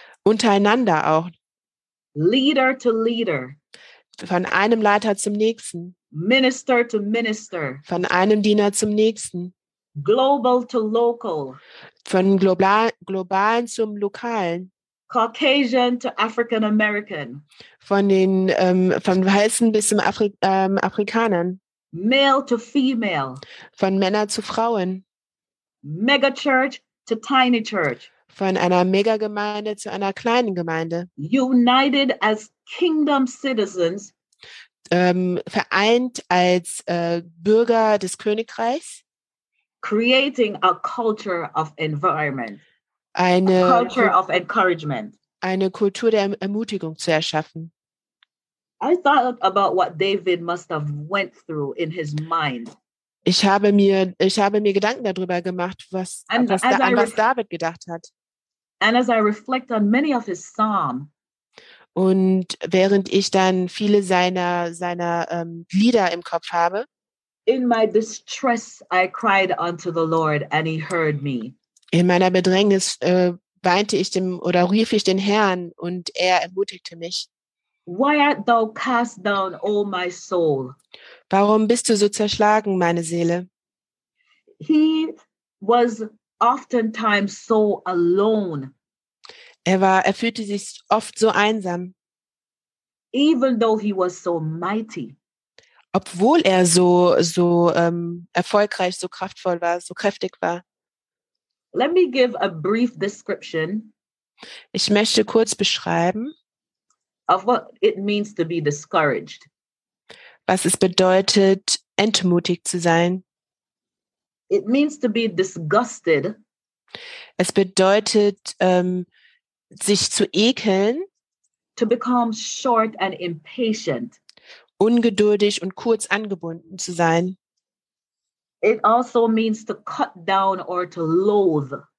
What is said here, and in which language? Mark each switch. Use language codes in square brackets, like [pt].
[de] Untereinander auch. [en] Leader to leader. [de] Von einem Leiter zum nächsten. [en] Minister to minister. [de] Von einem Diener zum nächsten. [en] Global to local. [de] Von globalen zum lokalen. [en] Caucasian to African American. [de] Von den von Weißen bis zum Afrikanern. [en] Male to female. [de] Von Männern zu Frauen. [en] Mega church to tiny church. [de] Von einer Megagemeinde zu einer kleinen Gemeinde. [en] United as kingdom citizens. [de] Vereint als Bürger des Königreichs. [en] Creating a culture of environment. [de] Eine [en] culture of encouragement. [de] Eine Kultur der Ermutigung zu erschaffen. [en] I thought about what David must have went through in his mind. [de] Ich habe mir Gedanken darüber gemacht, was David gedacht hat. [en] And as I reflect on many of his psalms. [de] Und während ich dann viele seiner Lieder im Kopf habe. [en] In my distress I cried unto the Lord and he heard me. [de] In meiner Bedrängnis rief ich den Herrn und er ermutigte mich. [en] Why art thou cast down, O my soul? [de] Warum bist du so zerschlagen, meine Seele? [en] He was oftentimes so alone. [de] Er fühlte sich oft so einsam. [en] Even though he was so mighty. [de] Obwohl er so erfolgreich, so kraftvoll war, so kräftig war. [en] Let me give a brief description. [de] Ich möchte kurz beschreiben. [en] Of what it means to be discouraged. [de] Was es bedeutet, entmutigt zu sein. [en] It means to be disgusted. [de] Es bedeutet, sich zu ekeln. [en] To become short and impatient. [de] Ungeduldig und kurz angebunden zu sein. [en] It also means to cut down or to loathe.